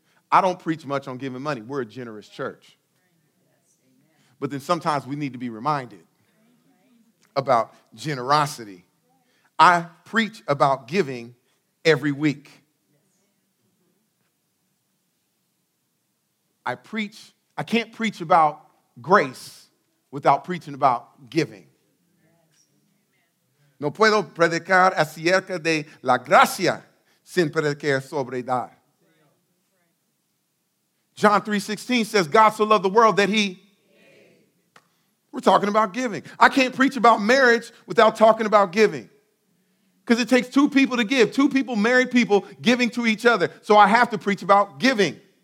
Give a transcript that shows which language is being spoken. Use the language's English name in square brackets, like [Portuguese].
[English] I don't preach much on giving money. We're a generous church. But then sometimes we need to be reminded about generosity. I preach about giving every week. I can't preach about grace without preaching about giving. [Spanish] No puedo predicar acerca de la gracia sin predicar sobre dar. [English] John 3:16 says, God so loved the world that he gave. We're talking about giving. I can't preach about marriage without talking about giving. Because it takes two people to give. Two people, married people, giving to each other. So I have to preach about giving.